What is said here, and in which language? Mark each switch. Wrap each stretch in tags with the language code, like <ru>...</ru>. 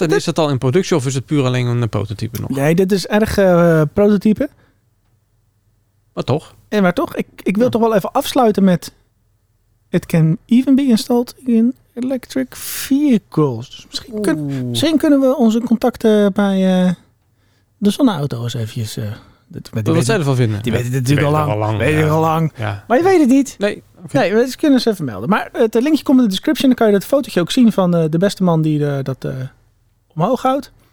<nl>En is dat al in productie of is het puur alleen een prototype nog? Nee, dit is erg prototype. Maar toch? Maar toch? Ik wil toch wel even afsluiten met...</nl> <en>It can even be installed in electric vehicles.</en> <nl>Dus misschien kunnen we onze contacten bij de zonneauto's eventjes... Wat zij ervan vinden. Die weten het natuurlijk al lang. Maar je weet het niet. Nee. Okay. Nee, dat kunnen ze even melden. Maar het linkje komt in de description. Dan kan je dat fotootje ook zien van de beste man die dat omhoog houdt.</nl>